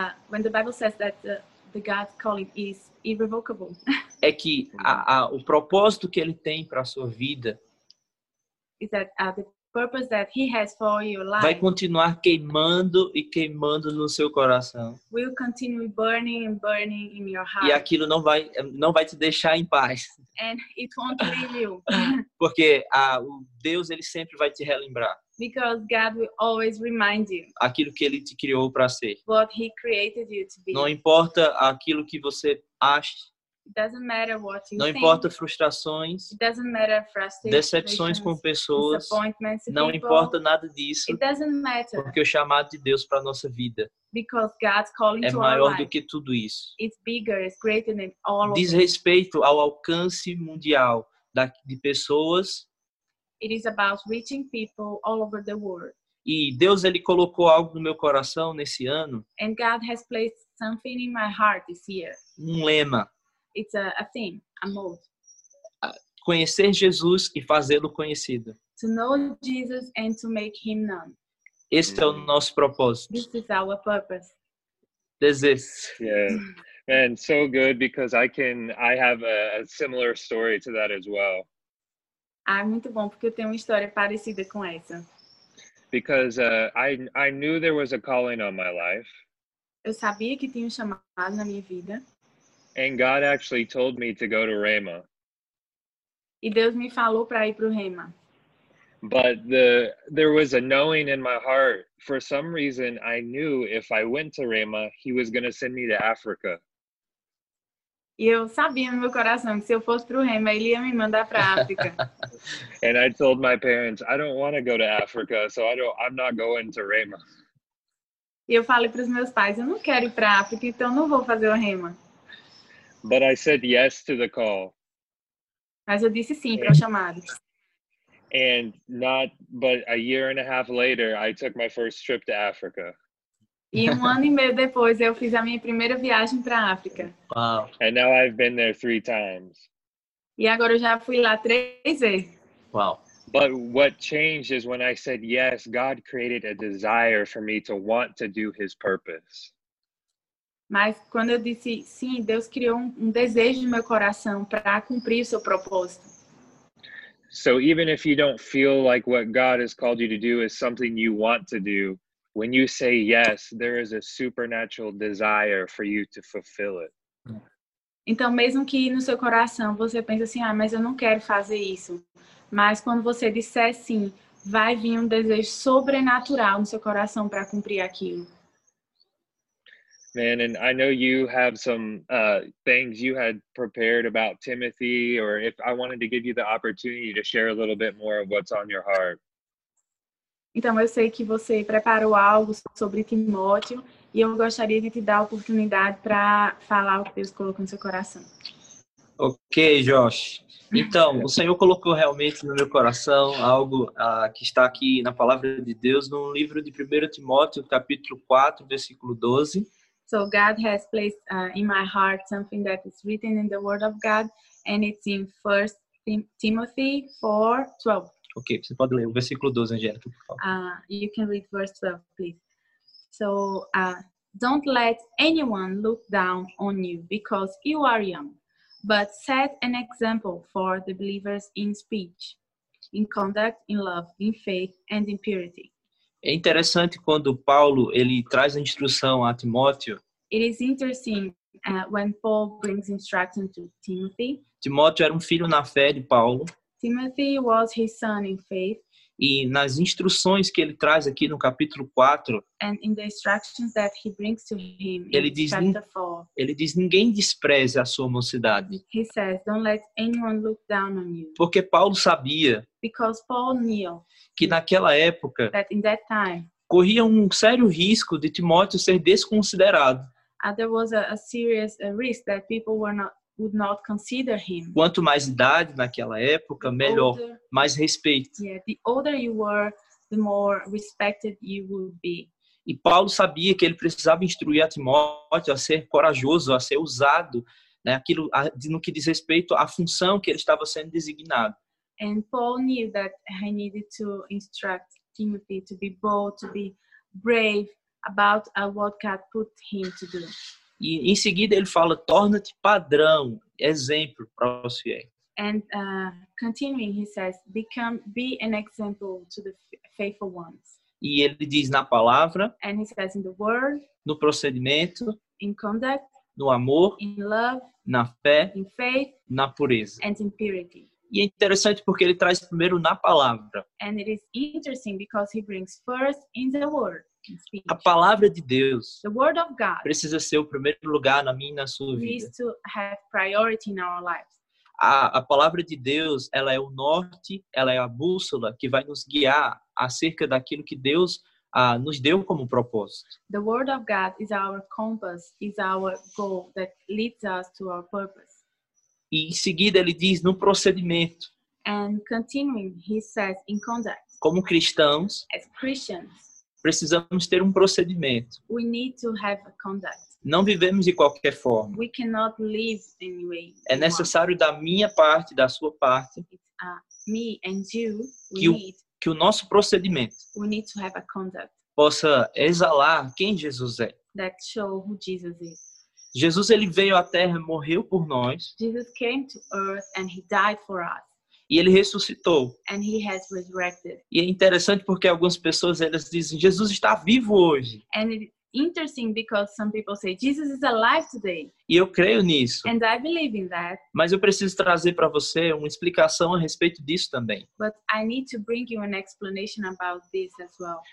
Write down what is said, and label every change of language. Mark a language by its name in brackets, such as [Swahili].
[English] when the Bible says that the God's calling is irrevocable, [Portuguese] é que o propósito que ele tem para a sua vida [English] is that the purpose that he has for your life [Portuguese] vai continuar queimando e queimando no seu coração. [English] Will continue burning and burning in your heart. [Portuguese] E aquilo não vai te deixar em paz. [English] And it won't leave you. [Portuguese] Porque o Deus ele sempre vai te relembrar. [English] Because God will always remind you. [Portuguese] Aquilo que ele te criou para ser. [English] What he created you to be. [Portuguese] Não importa aquilo que você ache. [English] It doesn't matter what you [Portuguese] não [English] think. [Portuguese] Importa frustrações, [English] it doesn't matter frustrations, [Portuguese] decepções com pessoas, [English] disappointments, [Portuguese] não [English] people, [Portuguese] importa nada disso, [English] it doesn't matter, [Portuguese] porque o chamado de Deus para a nossa vida [English] because God's calling [Portuguese] é [English] to [Portuguese] maior [English] our life [Portuguese] do que tudo isso. [English] It's bigger, it's greater than all of [Portuguese] diz respeito ao alcance mundial de pessoas. [English] It is about reaching people all over the world. [Portuguese] E Deus ele colocou algo no meu coração nesse ano. [English] And God has placed something in my heart this year. [Portuguese] Um lema. [English] It's a theme, a mode. [Portuguese] Conhecer Jesus e fazê-lo conhecido. [English] To know Jesus and to make him known. [Portuguese] Esse é o nosso propósito. [English] This is our purpose. This is. Yeah. And so good because I have a similar story to that as well. [Portuguese] Ah, muito bom, porque eu tenho uma história parecida com essa. [English] Because I knew there was a calling on my life. [Portuguese] Eu sabia que tinha um chamado na minha vida. [English] And God actually told me to go to Rema. [Portuguese] E Deus me falou para ir pro Rema. [English] But there was a knowing in my heart. For some reason, I knew if I went to Rema, he was going to send me to Africa. [Portuguese] E eu sabia no meu coração que se eu fosse pro Rema, ele ia me mandar para África. [English] And I told my parents, I don't want to go to Africa, so I'm not going to Rema. [Portuguese] E eu falei pros meus pais, eu não quero ir para África, então não vou fazer o Rema. [English] But I said yes to the call. [Portuguese] Mas eu disse sim para o chamado. [English] And not, but a year and a half later, I took my first trip to Africa. [Portuguese] E ano e meio depois, eu fiz a minha primeira viagem para África. [English] Wow. And now I've been there 3 times. [Portuguese] E agora eu já fui lá 3 vezes. [English] Wow. But what changed is when I said yes, God created a desire for me to want to do his purpose. [Portuguese] Mas quando eu disse sim, Deus criou um desejo no meu coração para cumprir o seu propósito. [English] So even if you don't feel like what God has called you to do is something you want to do, when you say yes, there is a supernatural desire for you to fulfill it. [Portuguese] Então mesmo que no seu coração você pense assim, ah, mas eu não quero fazer isso. Mas quando você disser sim, vai vir um desejo sobrenatural no seu coração para cumprir aquilo. [English] Man, and I know you have some things you had prepared about Timothy, or if I wanted to give you the opportunity to share a little bit more of what's on your heart. [Portuguese] Então, eu sei que você preparou algo sobre Timóteo, e eu gostaria de te dar a oportunidade para falar o que Deus colocou no seu coração. [English] Ok, Josh. [Portuguese] Então, o Senhor colocou realmente no meu coração algo que está aqui na Palavra de Deus, no livro de 1 Timóteo, capítulo 4, versículo 12. [English] So God has placed in my heart something that is written in the Word of God, and it's in 1 Timothy 4, 12. [Portuguese] Ok, você pode ler o versículo 12, Angélica, por favor. [English] You can read verse 12, please. So, don't let anyone look down on you because you are young, but set an example for the believers in speech, in conduct, in love, in faith, and in purity. [Portuguese] É interessante quando Paulo, ele traz a instrução a Timóteo. [English] It is interesting when Paul brings instruction to Timothy. [Portuguese] Timóteo era um filho na fé de Paulo. [English] Timothy was his son in faith. [Portuguese] E nas instruções que ele traz aqui no capítulo 4, [English] and in the instructions that he brings to him, [Portuguese] ele diz, [English] chapter 4, [Portuguese] ele diz, ninguém despreze a sua mocidade. [English] He says, don't let anyone look down on you. [Portuguese] Porque Paulo sabia, [English] because Paul knew, [Portuguese] que naquela época, [English] that in that time, [Portuguese] corria um sério risco de Timóteo ser desconsiderado. [English] There was a serious risk that people were not, would not consider him. [Portuguese] Quanto mais idade naquela época, melhor, mais respeito. [English] Yeah, the older you were, the more respected you would be. [Portuguese] E Paulo sabia que ele precisava instruir a Timóteo a ser corajoso, a ser usado, né, aquilo no que diz respeito à função que ele estava sendo designado. [English] And Paul knew that he needed to instruct Timothy to be bold, to be brave about what God put him to do. [Portuguese] E em seguida ele fala, torna-te padrão, exemplo para os fiéis. [English] And continuing, he says, be an example to the faithful ones. [Portuguese] E ele diz na palavra. [English] And he says in the word. [Portuguese] No procedimento. [English] In conduct. [Portuguese] No amor. [English] In love. [Portuguese] Na fé. [English] In faith. [Portuguese] Na pureza. [English] And in purity. [Portuguese] E é interessante porque ele traz primeiro na palavra. [English] And it is interesting because he brings first in the word. [Portuguese] A palavra de Deus, [English] the word of God, [Portuguese] precisa ser o primeiro lugar na minha e na sua vida. [English] Needs to have priority in our lives. [Portuguese] A palavra de Deus, ela é o norte, ela é a bússola que vai nos guiar acerca daquilo que Deus nos deu como propósito. [English] The word of God is our compass, is our goal that leads us to our purpose. [Portuguese] E em seguida ele diz no procedimento. [English] And continuing, he says in conduct. [Portuguese] Como cristãos, [English] as Christians, [Portuguese] precisamos ter um procedimento. [English] We need to have a conduct. [Portuguese] Não vivemos de qualquer forma. [English] We cannot live anyway. [Portuguese] É necessário da minha parte, da sua parte, [English] me and you, [Portuguese] que o nosso procedimento, [English] we need to have a conduct, [Portuguese] possa exalar quem Jesus é. [English] That show who Jesus is. [Portuguese] Jesus, ele veio à Terra, morreu por nós. [English] Jesus came to earth and he died for us. [Portuguese] E ele ressuscitou. [English] And he has resurrected. [Portuguese] E é interessante porque algumas pessoas, elas dizem, Jesus está vivo hoje. [English] And it, interesting because some people say Jesus is alive today. [Portuguese] E eu creio nisso. [English] And I believe in that. [Portuguese] Mas eu preciso trazer para você uma explicação a respeito disso também. [English] But I need to bring you an explanation about this as well.